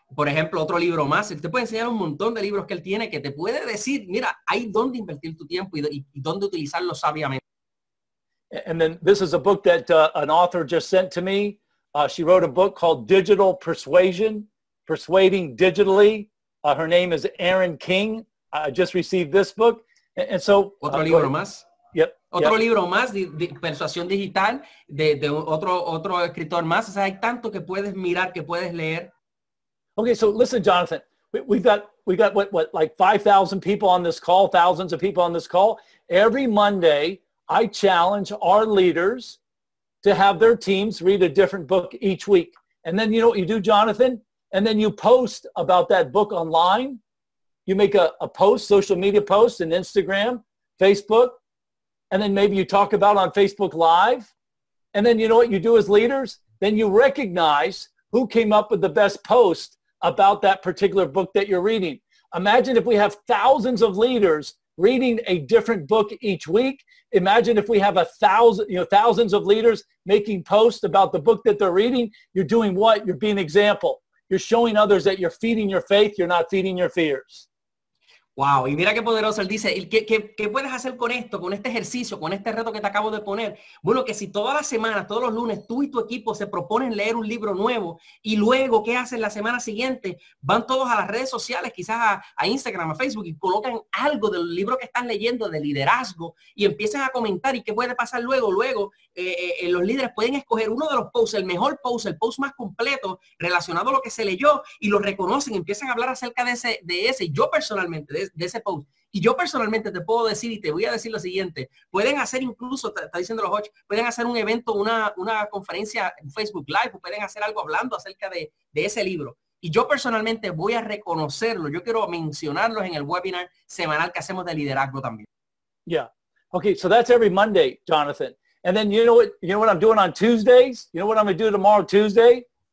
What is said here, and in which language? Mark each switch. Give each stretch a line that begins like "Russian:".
Spanish: Por ejemplo, otro libro más. Él te puede enseñar un montón de libros que él tiene que te puede decir, mira, hay dónde invertir tu tiempo y dónde utilizarlo sabiamente.
English: And then this is a book that an author just sent to me. She wrote a book called Digital Persuasion, Persuading Digitally. Her name is Erin King. I just received this book. And so,
Spanish: otro libro más.
English: Yep.
Spanish: Otro libro más de persuasión digital de otro escritor más. O sea, hay tanto que puedes mirar, que puedes leer.
English: Okay, so listen, Jonathan, we've got like 5,000 people on this call, thousands of people on this call. Every Monday, I challenge our leaders to have their teams read a different book each week. And then you know what you do, Jonathan? And then you post about that book online. You make a post, social media post, in Instagram, Facebook, and then maybe you talk about it on Facebook Live. And then you know what you do as leaders? Then you recognize who came up with the best post about that particular book that you're reading. Imagine if we have thousands of leaders reading a different book each week. Imagine if we have thousands of leaders making posts about the book that they're reading. You're doing what? You're being an example. You're showing others that you're feeding your faith, you're not feeding your fears.
Spanish: Wow, y mira qué poderoso. Él dice, ¿qué puedes hacer con esto, con este ejercicio, con este reto que te acabo de poner? Bueno, que si todas las semanas, todos los lunes, tú y tu equipo se proponen leer un libro nuevo, y luego, ¿qué hacen la semana siguiente? Van todos a las redes sociales, quizás a Instagram, a Facebook, y colocan algo del libro que están leyendo, de liderazgo, y empiezan a comentar, ¿y qué puede pasar luego? Luego, los líderes pueden escoger uno de los posts, el mejor post, el post más completo, relacionado a lo que se leyó, y lo reconocen, empiezan a hablar acerca de ese, yo personalmente, de ese post. Y yo personalmente te puedo decir y te voy a decir lo siguiente. Pueden hacer incluso, está diciendo los Hutch, pueden hacer un evento, una conferencia en Facebook Live, o pueden hacer algo hablando acerca de ese libro. Y yo personalmente voy a reconocerlo. Yo quiero mencionarlos en el webinar semanal que hacemos de liderazgo también.
English: Yeah. Okay, so that's every Monday, Jonathan. And then you know what I'm doing on Tuesdays? You know what I'm going to do tomorrow Tuesday?